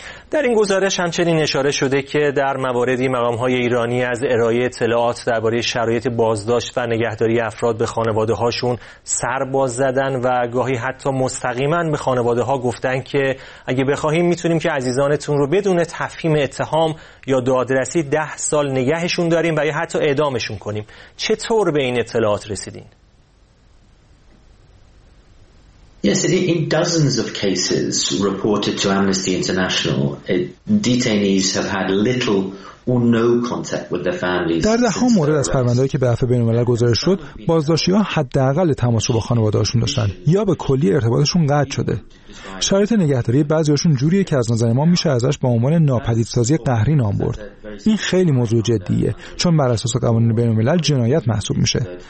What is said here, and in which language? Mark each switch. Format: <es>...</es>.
<fa>در این گزارش همچنین اشاره شده که در مواردی مقام‌های ایرانی از ارائه اطلاعات درباره شرایط بازداشت و نگهداری افراد به خانواده‌هاشون سر باز زدن و گاهی حتی مستقیماً به خانواده‌ها گفتن که اگه بخواهیم میتونیم که عزیزانتون رو بدون تفهیم اتهام یا دادرسی 10 سال نگهشون داریم و یا حتی اعدامشون کنیم. چطور به این اطلاعات رسیدین؟</fa> <en>Yes, in dozens of cases reported to Amnesty International, detainees have had little or no contact with their families.</en> <fa>در ده ها مورد از پرونده‌هایی که به عفو بین‌الملل گزارش شد، بازداشتی‌ها حداقل تماس با خانواده‌هاشون داشتن یا به کلی ارتباطشون قطع شده. شرایط نگهداری بعضی‌هاشون جوریه که از نظر ما میشه ازش با عنوان ناپدیدسازی قهری نام برد. این خیلی موضوع جدیه، چون بر اساس قوانین بین‌الملل جنایت محسوب میشه.</fa>